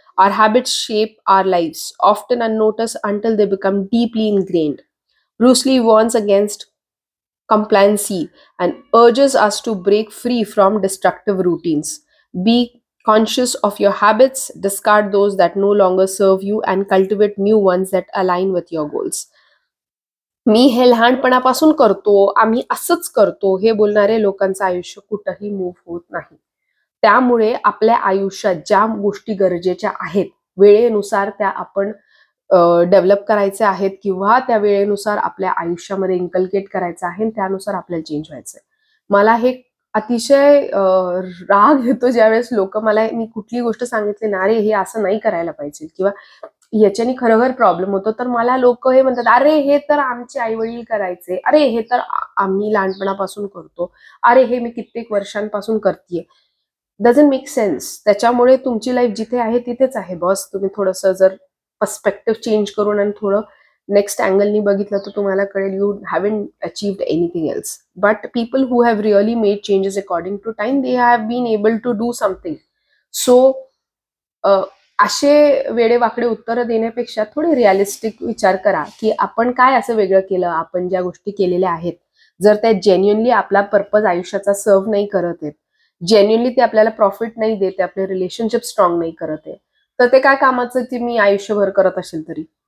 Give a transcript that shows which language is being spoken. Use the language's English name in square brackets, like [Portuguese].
[English] Our habits shape our lives, often unnoticed until they become deeply ingrained. Bruce Lee warns against compliancy and urges us to break free from destructive routines. Be conscious of your habits, discard those that no longer serve you, and cultivate new ones that align with your goals. [Marathi] मी हे लहानपणापासून करतो, आम्ही असंच करतो हे बोलणारे लोकांचं आयुष्य कुठंही मूव्ह होत नाही. त्यामुळे आपल्या आयुष्यात ज्या गोष्टी गरजेच्या आहेत वेळेनुसार त्या आपण डेव्हलप करायचे आहेत किंवा त्या वेळेनुसार आपल्या आयुष्यामध्ये इन्कल्केट करायचं आहे आणि त्यानुसार आपल्याला चेंज व्हायचं आहे. मला हे अतिशय राग येतो ज्यावेळेस लोक मला मी कुठली गोष्ट सांगितली ना रे हे असं नाही करायला पाहिजे किंवा याच्याने खरोखर प्रॉब्लेम होतो तर मला लोक हे म्हणतात अरे हे तर आमचे आईवडील करायचे, अरे हे तर आम्ही लहानपणापासून करतो, अरे हे मी कित्येक वर्षांपासून करते. [English] Doesn't make sense. [Marathi] त्याच्यामुळे तुमची लाईफ जिथे आहे तिथेच आहे बॉस. तुम्ही थोडंसं जर पर्स्पेक्टिव्ह चेंज करून आणि थोडं नेक्स्ट अँगलनी बघितलं तर तुम्हाला कळेल [English] You haven't achieved anything else. But people who have really made changes according to time they have been able to do something. [Marathi] So असे वेडेवाकडे उत्तरं देण्यापेक्षा थोडे रिअलिस्टिक विचार करा की आपण काय असं वेगळं केलं. आपण ज्या गोष्टी केलेल्या आहेत जर त्या जेन्युअनली आपला पर्पज आयुष्याचा सर्व्ह नाही करत आहेत, जेन्युअनली ते आपल्याला प्रॉफिट नाही देत, आपले रिलेशनशिप स्ट्रॉंग नाही करत आहे, तर ते काय कामाचं ते मी आयुष्यभर करत असेल तरी.